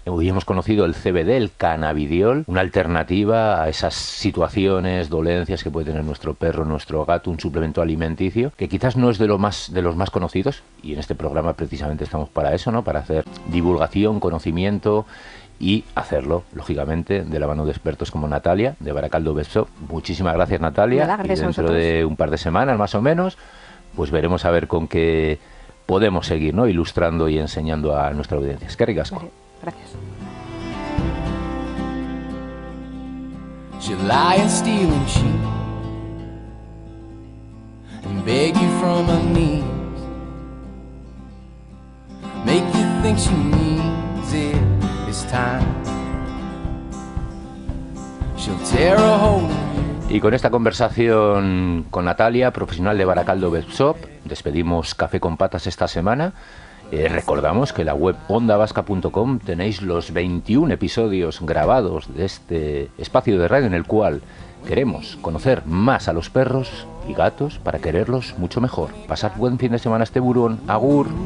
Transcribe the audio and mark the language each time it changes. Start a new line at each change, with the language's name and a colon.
Spanish: Hoy hemos conocido el CBD, el cannabidiol, una alternativa a esas situaciones, dolencias que puede tener nuestro perro, nuestro gato, un suplemento alimenticio, que quizás no es de los más conocidos, y en este programa precisamente estamos para eso, ¿no? Para hacer divulgación, conocimiento, y hacerlo, lógicamente, de la mano de expertos como Natalia, de Baracaldo Vet Shop. Muchísimas gracias, Natalia. Gracias, y dentro de un par de semanas, más o menos, pues veremos a ver con qué podemos seguir, ¿no?, ilustrando y enseñando a nuestra audiencia.
Basque: Eskerrik asko.
Spanish: Gracias.
English: She'll lie and steal and cheat and beg you from her knees, make you think she needs it this time. She'll tear a hole.
Spanish: Y con esta conversación con Natalia, profesional de Baracaldo Webshop, despedimos Café con Patas esta semana. Recordamos que en la web ondavasca.com tenéis los 21 episodios grabados de este espacio de radio en el cual queremos conocer más a los perros y gatos para quererlos mucho mejor. Pasad buen fin de semana, este burón. Agur.